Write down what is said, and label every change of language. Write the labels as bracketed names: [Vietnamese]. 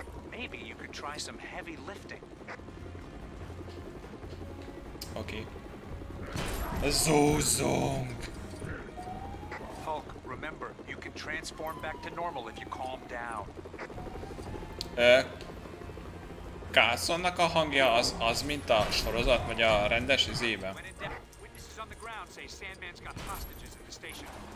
[English] Maybe you could try some heavy lifting. Okay. Zozong. Hulk, remember, you can transform back to normal if you calm down. [Hungarian] Carsonnak a hangja az az, mint a sorozat vagy a rendes izében. [English] Witnesses on the ground say Sandman's got hostages at the station.